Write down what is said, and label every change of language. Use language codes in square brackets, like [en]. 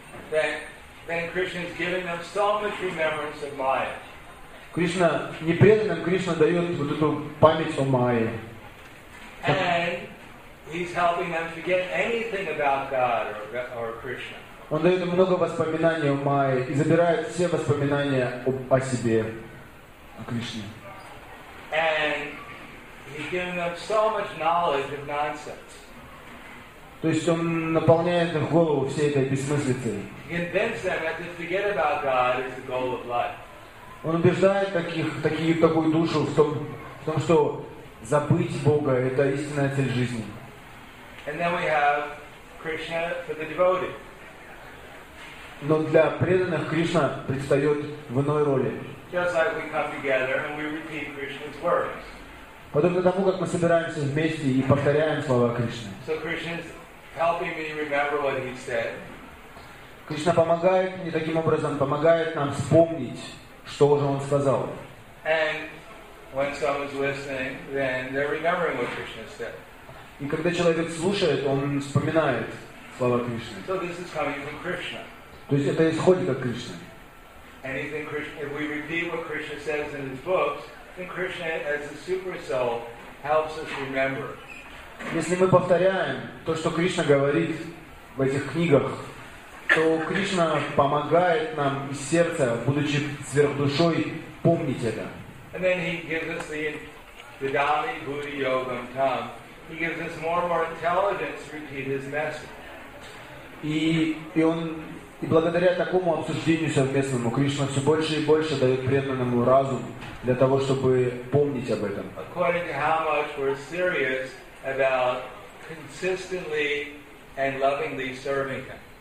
[en] Then Krishna's giving them so much remembrance of Maya. [ru] Кришна непреданным Кришна дает вот эту память о Майе. [en] And he's helping them forget anything about God or Krishna. [ru] Он дает им много воспоминаний о Майе и забирает все воспоминания о себе, о Кришне. [en] And he's giving them so much knowledge of nonsense. [ru] То есть он наполняет их голову всей этой бессмыслицей. [en] He convinces them that to forget about God is the goal of life. [ru] Он убеждает такую душу в том, что забыть Бога — это истинная цель жизни. [en] And then we have Krishna for the devotee. [ru] Но для преданных Кришна предстает в иной роли. [en] Just like we come together and we repeat Krishna's words. [ru] Подобно тому, как мы собираемся вместе и повторяем слова Кришны. [en] So Krishna's helping me remember what he said. [ru] Кришна помогает мне таким образом, помогает нам вспомнить, что же он сказал. [en] And when someone's listening, then they're remembering what Krishna said. [ru] И когда человек слушает, он вспоминает слова Кришны. [en] So this is coming from Krishna. [ru] То есть это исходит от Кришны. [en] Anything Krishna, if we repeat what Krishna says in his books, then Krishna, as the super soul, helps us remember. [ru] Если мы повторяем то, что Кришна говорит в этих книгах, то Кришна помогает нам из сердца, будучи сверхдушой, помнить это. [en] And then he gives us the [sa] Dhammi, Buddhi, Yogam, Tam. [en] He gives us more and more intelligence to repeat his message. [ru] И благодаря такому обсуждению совместному Кришна все больше и больше дает преданному разум для того, чтобы помнить об этом. [en] According to how much we're serious about consistently and lovingly serving him.